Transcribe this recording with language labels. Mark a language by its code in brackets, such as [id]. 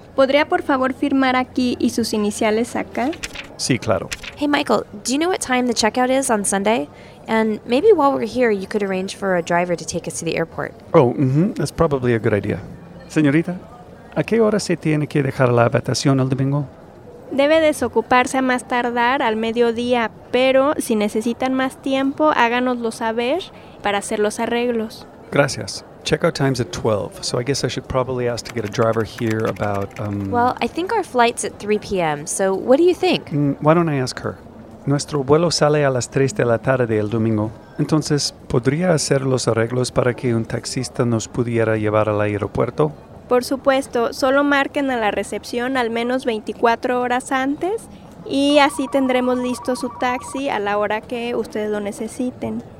[es] ¿Podría por favor firmar aquí y sus iniciales acá? Sí, claro. [en] Hey, Michael, do you know what time the checkout is on Sunday? And maybe while we're here, you could arrange for a driver to take us to the airport. Oh, That's probably a good idea. [es] Señorita, ¿a qué hora se tiene que dejar la habitación el domingo? Debe desocuparse a más tardar al mediodía, pero si necesitan más tiempo, háganoslo saber para hacer los arreglos. Gracias. [en] Checkout time's at 12, so I guess I should probably ask to get a driver here about, Well, I think our flight's at 3 p.m., so what do you think? Why don't I ask her? [es] Nuestro vuelo sale a las 3 de la tarde el domingo. Entonces, ¿podría hacer los arreglos para que un taxista nos pudiera llevar al aeropuerto? Por supuesto, solo marquen a la recepción al menos 24 horas antes y así tendremos listo su taxi a la hora que ustedes lo necesiten.